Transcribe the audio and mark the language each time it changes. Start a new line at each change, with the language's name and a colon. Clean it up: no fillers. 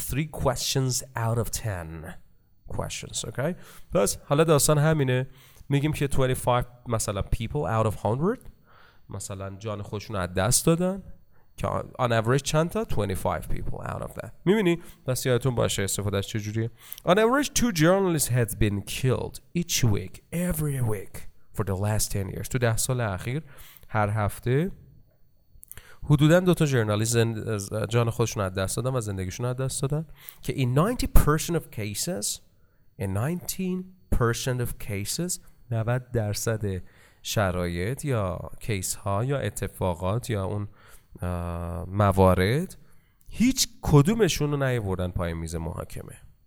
English: 3 questions out of 10 questions. Okay.
Persian: پس حالا داستان همینه. میگیم که 25 مثلا people out of 100 مثلا جان خودشون از دست دادن، که
English: on average
Persian: چند تا؟ 25
English: people out of that.
Persian: میبینی؟ پس یادتون باشه استفاده از چجوریه.
English: On average two journalists had been killed each week, every week for the last 10 years.
Persian: تو 10 سال اخیر هر هفته حدوداً دو تا ژورنالیست جان خودشون از دست دادن و زندگیشون از دست دادن، که
English: in 90% of cases
Persian: 90 درصد شرایط یا کیس ها یا اتفاقات یا اون موارد هیچ کدومشون رو نیاوردن پای میز محاکمه.